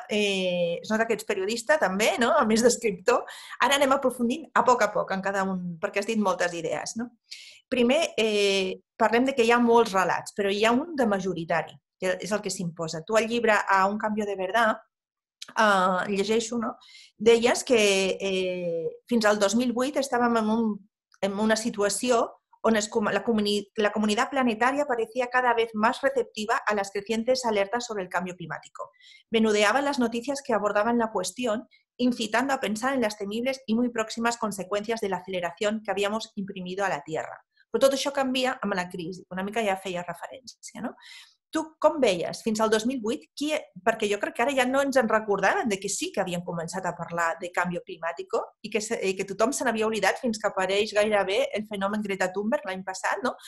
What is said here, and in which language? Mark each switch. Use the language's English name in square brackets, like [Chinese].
[Catalan] És nota que ets periodista també, no? A més d'escriptor. Ara anem aprofundint a poc en cada un, perquè has dit moltes idees. No? Primer, parlem de que hi ha molts relats, però hi ha un de majoritari. és el que s'imposa. Tu al llibre A un canvi de veritat, llegeixo, no? Deies que fins al 2008 estàvem en una situació on [Spanish] la comunidad planetaria parecía cada vez más receptiva a las crecientes alertas sobre el cambio climático. Menudeaban las noticias que abordaban la cuestión, incitando a pensar en las temibles y muy próximas consecuencias de la aceleración que habíamos imprimido a la Tierra. [Catalan] Però tot això canvia amb la crisi. Una mica ja feia referència, no? Tu com veies fins al 2008? Perquè jo crec que ara ja no ens en recordaven de que sí que havien començat a parlar de canvi climàtic i que tothom se n'havia oblidat fins que apareix gairebé el fenomen Greta Thunberg l'any passat, no?